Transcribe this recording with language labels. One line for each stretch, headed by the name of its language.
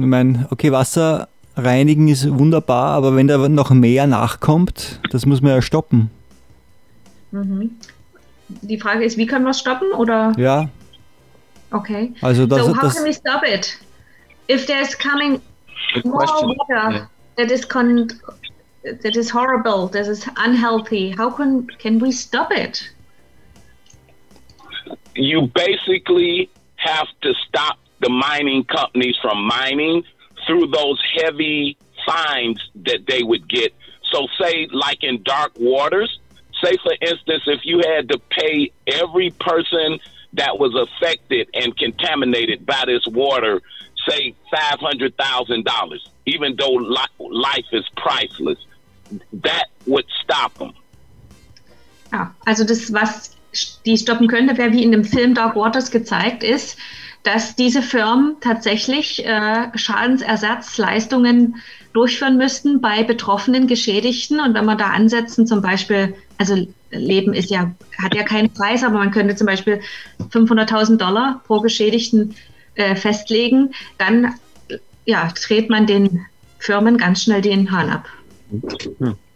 German: Ich meine, okay, Wasser reinigen ist wunderbar, aber wenn da noch mehr nachkommt, das muss man ja stoppen. Die Frage ist, wie können wir es stoppen? Oder? Ja. Okay. Also das,
English: so, how
German: das,
English: can we stop it? If there's coming more water, yeah, that is horrible, that is unhealthy, how can we stop it? You basically have to stop the mining companies from mining through those heavy fines that they would get. So say, like in dark waters, say for instance, if you had to pay every person that was affected and contaminated by this water, say $500,000, even though life is priceless, that would stop them.
German: Ja, also das, was die stoppen könnte, wäre wie in dem Film Dark Waters gezeigt ist, dass diese Firmen tatsächlich Schadensersatzleistungen durchführen müssten bei betroffenen Geschädigten. Und wenn man da ansetzen, zum Beispiel, also Leben ist ja, hat ja keinen Preis, aber man könnte zum Beispiel $500,000 pro Geschädigten festlegen, dann ja, dreht man den Firmen ganz schnell den Hahn ab.